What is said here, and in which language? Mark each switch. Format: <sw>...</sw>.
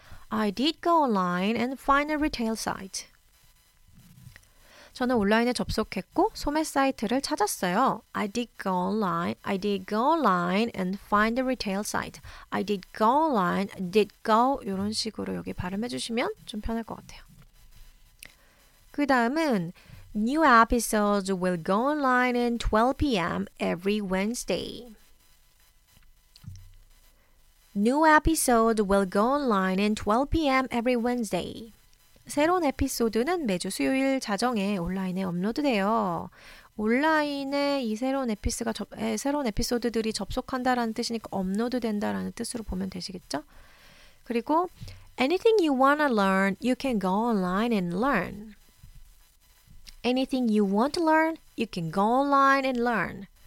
<en>I did go online and find a retail site.</en> <ko>저는 온라인에 접속했고 소매 사이트를 찾았어요.</ko> <en>I did go online and find a retail site. I did go</en> <ko>이런 식으로 여기 발음해 주시면 좀 편할 것 같아요. 그 다음은</ko> <en>New episodes will go online at 12 p.m. every Wednesday. New episodes will go online at 12 p.m. every Wednesday.</en> <ko>새로운 에피소드는 매주 수요일 자정에 온라인에 업로드돼요. 온라인에 이 새로운 에피소드들이 접속한다라는 뜻이니까 업로드된다라는 뜻으로 보면 되시겠죠? 그리고</ko> <en>anything you wanna learn, you can go online and learn. Anything you want to learn, you can go online and learn.</en>